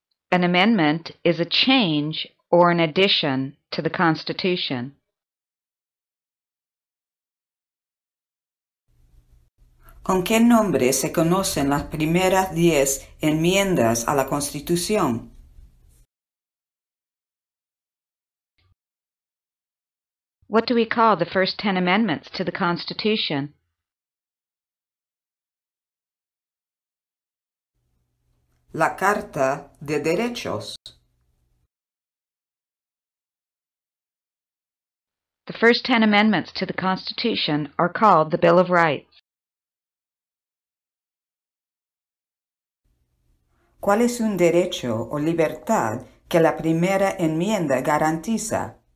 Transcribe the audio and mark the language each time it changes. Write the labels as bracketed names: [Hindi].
[English] An amendment is a change or an addition to the Constitution. [Spanish] ¿Con qué nombre se conocen las primeras 10 enmiendas a la Constitución? [English] What do we call the first 10 amendments to the Constitution? [Spanish] La Carta de Derechos. [English] The first 10 amendments to the Constitution are called the Bill of Rights. [Spanish] ¿Cuál es un derecho o libertad que la primera enmienda garantiza?